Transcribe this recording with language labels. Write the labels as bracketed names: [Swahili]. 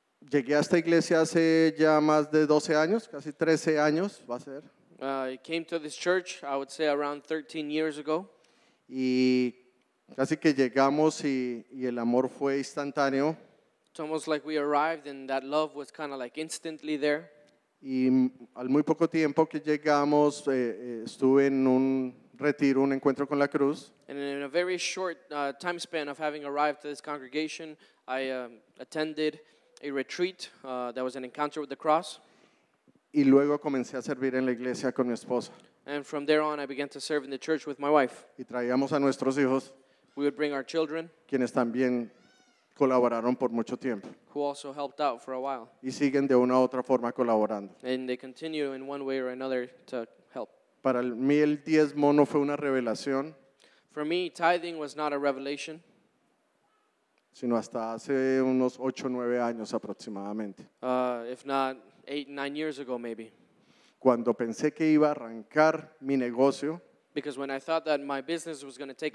[Spanish] Llegué a esta iglesia hace ya más de 12 años, casi 13 años va a ser. [English] I came to this church, I would say around 13 years ago. [Spanish] Y casi que llegamos y el amor fue instantáneo. [English] It's almost like we arrived and that love was kind of like instantly there. [Spanish] Y al muy poco tiempo que llegamos, estuve en un retiro, un encuentro con la cruz. [English] And in a very short time span of having arrived to this congregation, I attended a retreat that was an encounter with the cross. [Spanish] Y luego comencé a servir en la iglesia con mi esposa. [English] And from there on, I began to serve in the church with my wife. [Spanish] Y traíamos a nuestros hijos. [English] We would bring our children. [Spanish] Quienes también colaboraron por mucho tiempo. [English] Who also helped out for a while. [Spanish] Y siguen de una u otra forma colaborando. [English] And they continue in one way or another to help. [Spanish] Para mí el diezmo no fue una revelación. [English] For me, tithing was not a revelation. [Spanish] Sino hasta hace unos 8 o 9 años aproximadamente. [English] If not 8 or 9 years ago, maybe. [Spanish] Cuando pensé que iba a arrancar mi negocio. [English] Because when I thought that my business was going to take